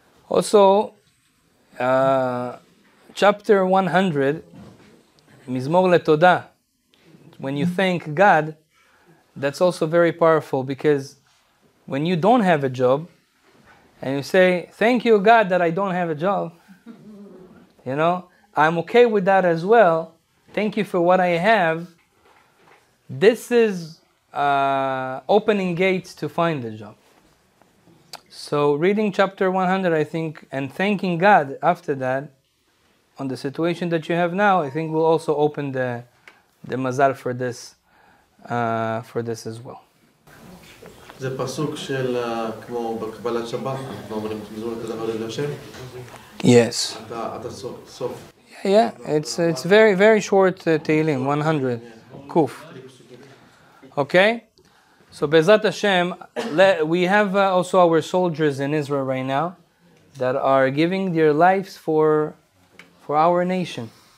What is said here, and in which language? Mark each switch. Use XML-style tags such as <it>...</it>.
<en>Also, chapter 100, Mizmor Letoda, when you thank God, that's also very powerful, because when you don't have a job, and you say, thank you God that I don't have a job, you know, I'm okay with that as well, thank you for what I have, this is opening gates to find a job. So reading chapter 100, I think, and thanking God after that, on the situation that you have now, I think will also open the mazal for this, for this as well.</en> <he>זה פסוק של כמו בקבלת שבת, אנחנו אומרים מזמור כזה הלל להשם.</he> <en>Yes.</en> <he>אתה סוף.</he> <en>Yeah, it's very very short Tehillim 100 Kuf. Okay. So Bezat Hashem, we have also our soldiers in Israel right now that are giving their lives for our nation.</en>